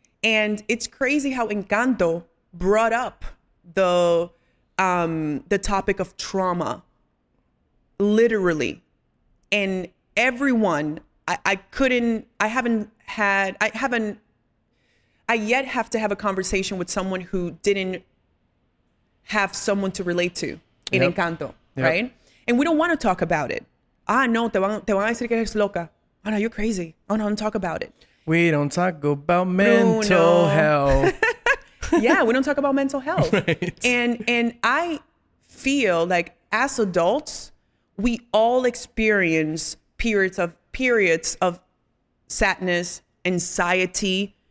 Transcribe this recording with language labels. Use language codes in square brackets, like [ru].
[en] And it's crazy how Encanto brought up the topic of trauma. Literally. And everyone, I yet have to have a conversation with someone who didn't have someone to relate to in yep. Encanto, yep. Right? And we don't want to talk about it. [es] Ah, no, te van a decir que eres loca. [en] Oh, no, you're crazy. Oh, no, don't talk about it. We don't talk about mental health. Yeah, we don't talk about mental health. Right. And I feel like as adults, we all experience periods of sadness, anxiety.